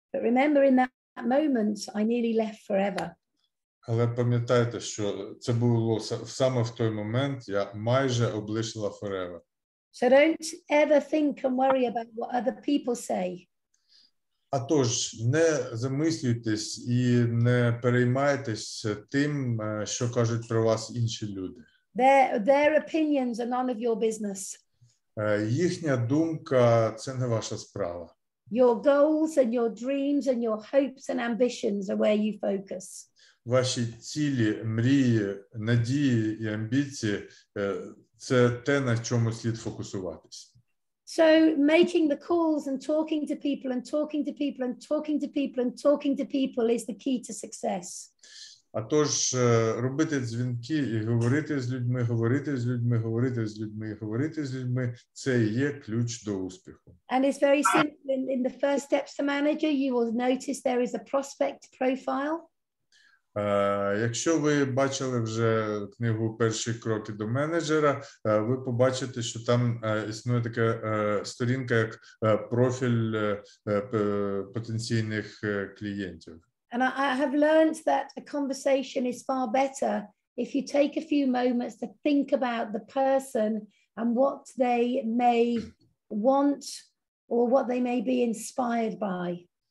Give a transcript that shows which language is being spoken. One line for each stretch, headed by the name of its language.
English: But remember in that moment, I nearly left forever.
Ukrainian: Але пам'ятайте, що це було саме в той момент, я майже облишила forever.
English: So don't ever think and worry about what other people say.
Ukrainian: А тож, не замислюйтесь і не переймайтесь тим, що кажуть про вас інші люди.
English: Their opinions are none of your business.
Ukrainian: Їхня думка – це не ваша справа.
English: Your goals and your dreams and your hopes and ambitions are where you focus.
Ukrainian: Ваші цілі, мрії, надії і амбіції – це те, на чому слід фокусуватись.
English: So making the calls and talking to people and talking to people and talking to people and talking to people is the key to success.
Ukrainian: А тож робити дзвінки і говорити з людьми, говорити з людьми, говорити з людьми, говорити з людьми – це є ключ до успіху.
English: And it's very simple. In the first steps to manager, you will notice there is a prospect profile.
Ukrainian: Якщо ви бачили вже книгу «Перші кроки до менеджера», ви побачите, що там існує така сторінка, як профіль потенційних клієнтів.
English: And I have learned that a conversation is far better if you take a few moments to think about the person and what they may want or what they may be inspired by.